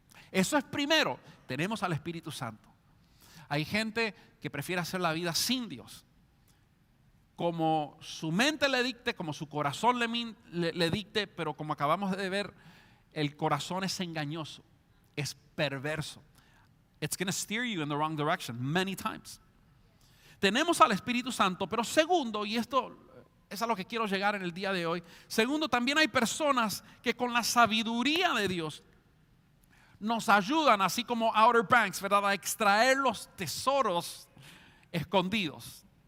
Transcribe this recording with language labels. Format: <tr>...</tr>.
<es>Eso es primero, tenemos al Espíritu Santo. Hay gente que prefiere hacer la vida sin Dios. Como su mente le dicte, como su corazón le dicte, pero como acabamos de ver, el corazón es engañoso, es perverso.</es> <en>It's going to steer you in the wrong direction many times.</en> <es>Tenemos al Espíritu Santo, pero segundo, y esto es a lo que quiero llegar en el día de hoy, segundo, también hay personas que con la sabiduría de Dios nos ayudan, así como Outer Banks, ¿verdad?, a extraer los tesoros escondidos.</es>